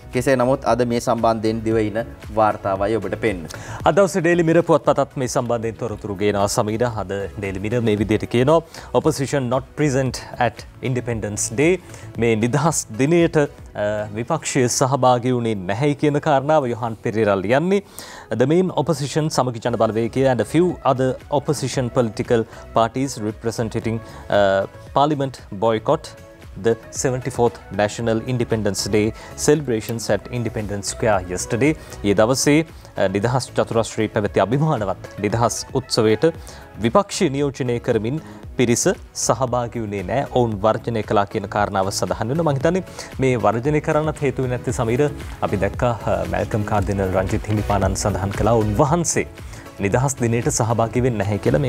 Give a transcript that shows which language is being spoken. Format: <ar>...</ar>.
<si>කෙසේ නමුත් අද මේ සම්බන්ධයෙන් දිවයින වාර්තාවයි ඔබට පෙන්න. අද දවසේ ඩේලි මිර පුවත්පතත් මේ සම්බන්ධයෙන් තොරතුරු ගේනවා සමීර. අද ඩේලි මිර මේ විදිහට කියනවා</si> <en>opposition not present at independence day.</en> <si>මේ නිදහස් දිනයට විපක්ෂයේ සහභාගී වුණේ නැහැ කියන කාරණාව යොහන් පෙරේරා ලියන්නේ.</si> <en>The main opposition Samagi Jana Balawegaya and a few other opposition political parties representing parliament boycott the 74th National Independence Day celebrations at Independence Square yesterday.</en> <si>ඒ දවසේ නිදහස් චතුරස්‍රී පැවති අභිමානවත් නිදහස් උත්සවයට විපක්ෂය නියෝජනය කරමින් පිරිස සහභාගී වුණේ නැහැ. ඔවුන් වර්ජනය කළා කියන කාරණාව සඳහන් වෙනවා. මම හිතන්නේ මේ වර්ජනය කරන්නත් හේතු වෙන්නේ නැති සමීර. අපි දැක්කා මැල්කම් කාර්දිනල් රංජිත් හිමිපාණන් සඳහන් කළා උන්වහන්සේ නිදහස් දිනේට සහභාගී වෙන්නේ නැහැ කියලා.</si>